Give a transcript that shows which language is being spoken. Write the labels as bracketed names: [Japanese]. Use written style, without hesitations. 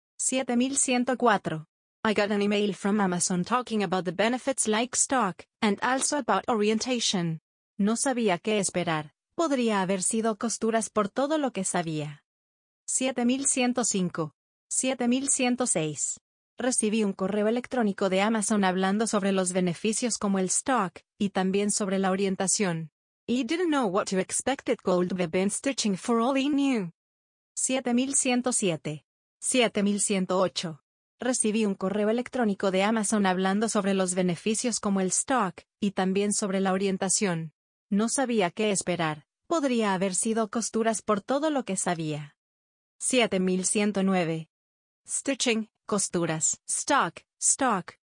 [English] 7104. I got an email from Amazon talking about the benefits like stock, and also about orientation. [Spanish] No sabía qué esperar. Podría haber sido costuras por todo lo que sabía. 7105. 7106. Recibí un correo electrónico de Amazon hablando sobre los beneficios como el stock, y también sobre la orientación. [English] He didn't know what to expect. It could have been stitching for all he knew. 7107. 7108. [Spanish] Recibí un correo electrónico de Amazon hablando sobre los beneficios como el stock, y también sobre la orientación. No sabía qué esperar. Podría haber sido costuras por todo lo que sabía. [English] 7109. Stitching, costuras, stock, stock.